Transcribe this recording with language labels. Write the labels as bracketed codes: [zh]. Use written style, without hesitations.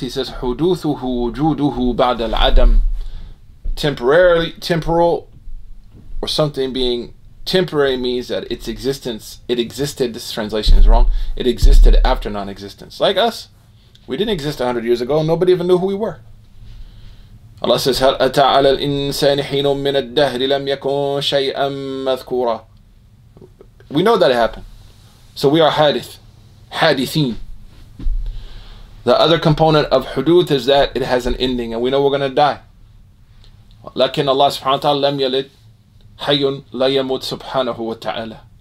[en] He says, [ar] huduthuhu wujuduhu ba'da al-adam. [en] Temporarily, temporal, or something being temporary means that its existence, it existed, this translation is wrong, it existed after non-existence. Like us, we didn't exist 100 years ago, nobody even knew who we were. [ar] Allah says, هَلْ أَتَى عَلَى الْإِنسَانِ حِينٌ مِّنَ الدَّهْرِ لَمْ يَكُنْ شَيْئًا مَذْكُورًا. [en] We know that it happened. So we are hadith, hadithin. The other component of hudud is that it has an ending and we know we're going to die. [ar] لَكِنَ اللَّهِ سُبْحَانَهُ وَتَعَالَى لَمْ يَلِدْ حَيٌّ لَا يَمُوتْ سُبْحَانَهُ وَتَعَالَى.